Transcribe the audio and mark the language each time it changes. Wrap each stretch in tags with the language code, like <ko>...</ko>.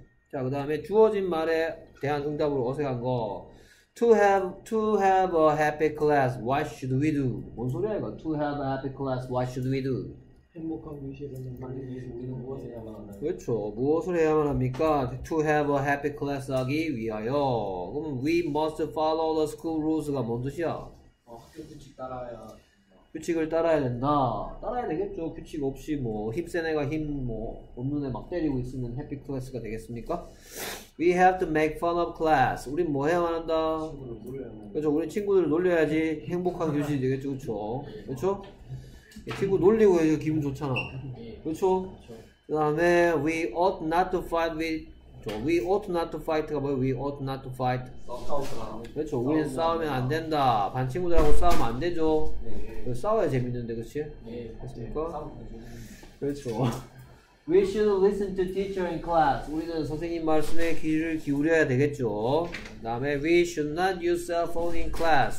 <ko>자, 그 다음에 주어진 말에 대한 응답으로 어색한 거.</ko> <en>To have a happy class, what should we do?</en> <ko>뭔 소리야 이거?</ko> <en>To have a happy class, what should we do?</en> <ko>행복한 교실을 만들기 위해서 우리는 무엇을 해야만 한다? 그렇죠. 무엇을 해야만 합니까?</ko> <en>To have a happy class</en> <ko>하기 위하여.</ko> <en>그럼 we must follow the school rules가 뭔 뜻이야?</en> <ko>학교 규칙 따라야. 규칙을 따라야 된다. 따라야 되겠죠. 규칙 없이 뭐 힘센 애가 힘 뭐 없는 애 막 때리고 있으면 해피 클래스가 되겠습니까?</ko> <en>We have to make fun of class.</en> <ko>우린 뭐 해야만 한다? 친구를 놀려야만. 그렇죠. 우린 친구들을 놀려야지 행복한 교실이 되겠죠. 그렇죠. 그렇죠. 친구 놀리고 해서 기분 좋잖아.</ko> <en>그렇죠. 그 다음에 we ought not to fight with. 그렇죠. We ought not to fight가 뭐예요? We ought not to fight.</en> <ko>그렇죠. 우리는 싸우면 안 된다. 반 친구들하고 싸우면 안 되죠. 네. 싸워야 재밌는데, 그렇지? 네.</ko> <en>그렇습니까? 그렇죠. We should listen to teacher in class.</en> <ko>우리는 선생님 말씀에 귀를 기울여야 되겠죠.</ko> <en>다음에 we should not use cell phone in class.</en>